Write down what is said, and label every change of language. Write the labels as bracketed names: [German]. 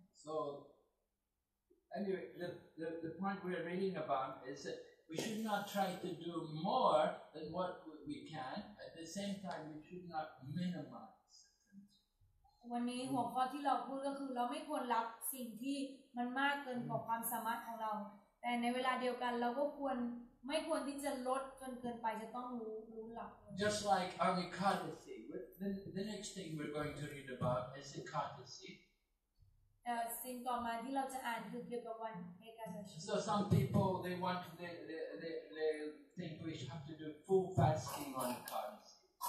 [English] So, anyway, the point we are reading about is that we should not try to do more than what we can. At the same time, we should not minimize. [Thai] วันนี้หัวข้อที่เราพูดก็คือเราไม่ควรรับสิ่งที่มันมากเกินกว่าความสามารถของเราแต่ในเวลาเดียวกันเราก็ควรไม่ควรที่จะลดจนเกินไปจะต้องรู้หลัก [English] Just like Amikadasi, the next thing we're going to read about is Ekadasi. [Thai] สิ่งต่อมาที่เราจะอ่านคือเกี่ยวกับวันเอกาท [English] ศี So some people they want they think we should have to do full fasting on Ekadasi.